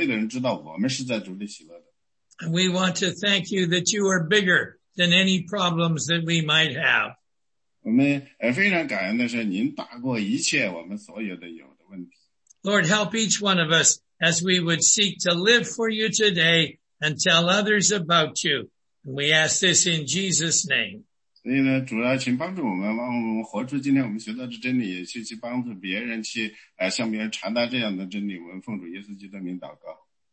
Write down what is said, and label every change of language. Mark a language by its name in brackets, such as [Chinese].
[Chinese] 所以呢，主啊，请您帮助我们，让我们今天活出这样，在今天我们学的这些经文里面的事情，我们要在主里喜乐，我们要让所有的人知道我们是在主里喜乐的。 [English] And we want to thank you that you are bigger than any problems that we might have. [Chinese] 我们非常感恩的是您大过一切我们所有的有的问题。 [English] Lord, help each one of us as we would seek to live for you today and tell others about you. We ask this in Jesus' name. [Chinese] 所以呢，主啊，请帮助我们，让我们活出今天我们学到的真理，去帮助别人，去向别人传达这样的真理。我们奉主耶稣基督的名祷告。